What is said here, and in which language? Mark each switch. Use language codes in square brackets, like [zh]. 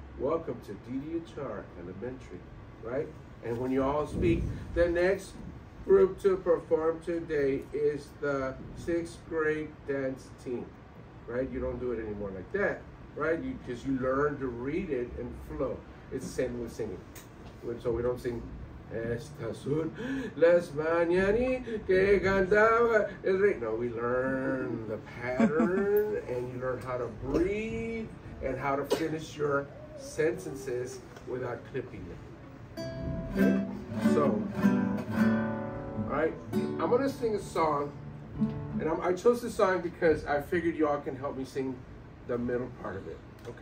[en] Welcome to DDHR Elementary, right? And when you all speak, the next group to perform today is the sixth grade dance team, right? You don't do it anymore like that, right? Because you learn to read it and flow. It's the same with singing. So we don't sing, [es] Estas son las mañanas que cantaba el rey. [en] No, we learn the pattern and you learn how to breathe and how to finish your sentences without clipping them. Okay. So, all right, I'm going to sing a song, and I chose this song because I figured y'all can help me sing the middle part of it, okay?